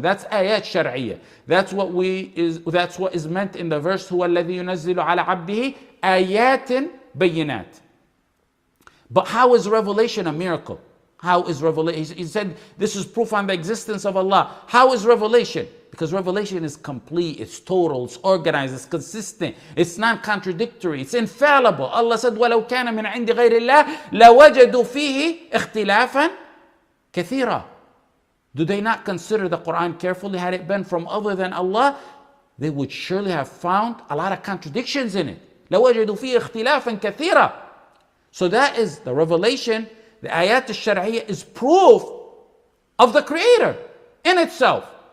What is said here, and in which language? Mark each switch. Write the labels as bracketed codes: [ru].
[en] That's ayat shar'iyyah. That's what is meant in the verse, [ar] huwa alladhi yunazzilu ala 'abdihi ayatin bayyinat. [en] But how is revelation a miracle? How is revelation? He said this is proof on the existence of Allah. How is revelation? Because revelation is complete, it's total, it's organized, it's consistent, it's non-contradictory, it's infallible. Allah said, [ar] وَلَوْ كَانَ مِنْ عِنْدِ غَيْرِ اللَّهِ لَوَجَدُوا فِيهِ اِخْتِلَافًا كَثِيرًا. [en] Do they not consider the Quran carefully? Had it been from other than Allah, they would surely have found a lot of contradictions in it. [ar] لَوَجَدُوا فِيهِ اِخْتِلَافًا كَثِيرًا. [en] So that is the revelation. The ayat al-shar'iyyah is proof of the Creator in itself.